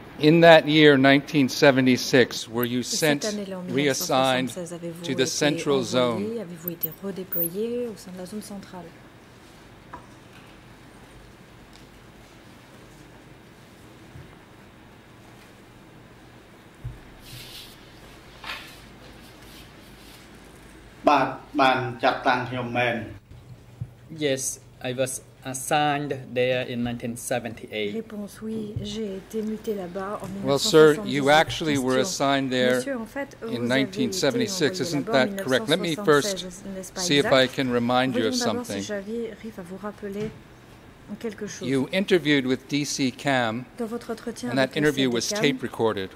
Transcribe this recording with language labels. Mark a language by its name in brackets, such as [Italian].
[English] In that year, 1976, were you sent, reassigned to the central zone? [French] Avez-vous été redéployé au sein de la zone centrale? Ban, ban, chắc tăng hiệu mềm. [English] Yes, I was assigned there in 1978. [French] Réponse, oui, j'ai été muté là-bas en 1978. [English] Well, sir, you actually were assigned there in 1976. Isn't that correct? Let me first see if I can remind you of something. You interviewed with DC CAM, and that interview was tape recorded.